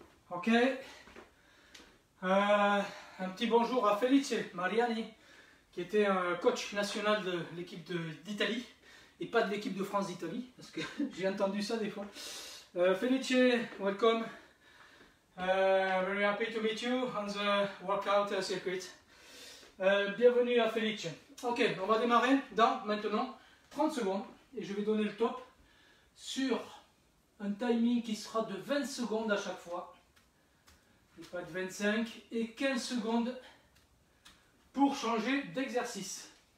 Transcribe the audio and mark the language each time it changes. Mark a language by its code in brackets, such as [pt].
[fr] Ok. Un petit bonjour à Felice Mariani, qui était un coach national de l'équipe d'Italie, et pas de l'équipe de France d'Italie, parce que j'ai entendu ça des fois. [en] Felice, welcome. Very happy to meet you on the workout circuit. [fr] Bienvenue à Felice. Ok, on va démarrer dans maintenant 30 secondes, et je vais donner le top sur un timing qui sera de 20 secondes à chaque fois. Pas de 25 et 15 secondes pour changer d'exercice.